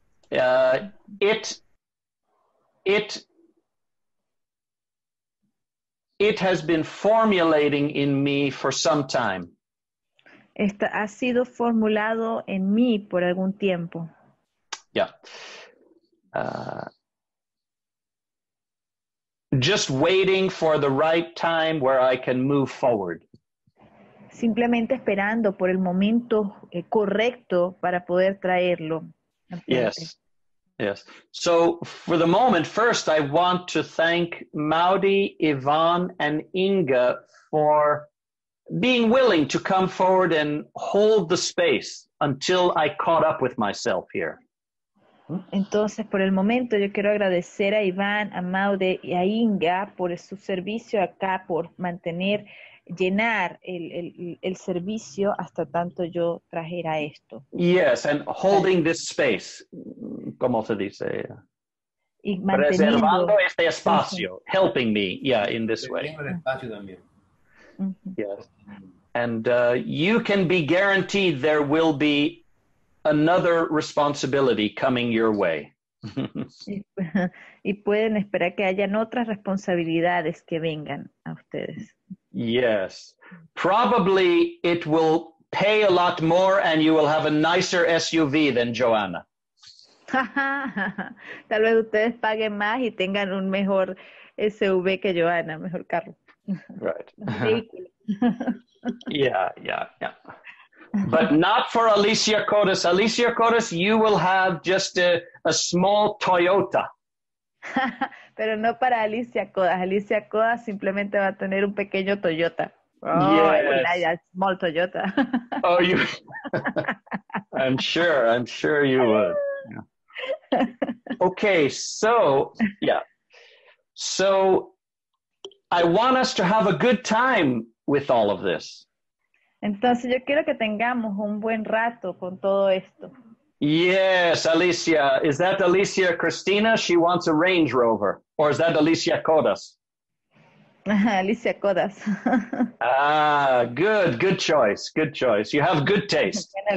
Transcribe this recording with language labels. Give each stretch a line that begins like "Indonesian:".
English: It has been formulating in me for some time.
Spanish: Esta ha sido formulado en mí por algún tiempo.
English: Yeah. Just waiting for the right time where I can move forward.
Spanish: Simplemente esperando por el momento correcto para poder traerlo.
English: Yes. So, for the moment, first I want to thank Maudy, Yvonne, and Inga for being willing to come forward and hold the space until I caught up with myself here.
Spanish: Entonces, por el momento, yo quiero agradecer a Iván, a Maude y a Inga por su servicio acá, por mantener, llenar el servicio hasta tanto yo trajera esto.
English: Yes, and holding this space,
Spanish: como se dice. Y reservando este espacio,
English: helping me, yeah, in this way. Mm-hmm. Yes, and you can be guaranteed there will be another responsibility coming your way.
Spanish: Y pueden esperar que hayan otras responsabilidades que vengan a ustedes.
English: Yes. Probably it will pay a lot more and you will have a nicer SUV than Joanna.
Spanish: Tal vez ustedes paguen más y tengan un mejor SUV que Joanna, mejor carro.
English: Right. Yeah. But not for Alicia Cotes. Alicia Cotes, you will have just a small Toyota.
Spanish: Pero no para Alicia Cotes. Alicia Cotes simplemente va a tener un pequeño Toyota.
English: Oh, yes. A small Toyota. Oh, you... I'm sure you would. Yeah. Okay, so, yeah. So, I want us to have a good time with all of this.
Spanish: Entonces, yo quiero que tengamos un buen rato con todo esto.
English: Yes, Alicia. Is that Alicia Cristina? She wants a Range Rover. Or is that Alicia Cotes? Alicia Cotes. Ah, good. Good choice. You have good taste.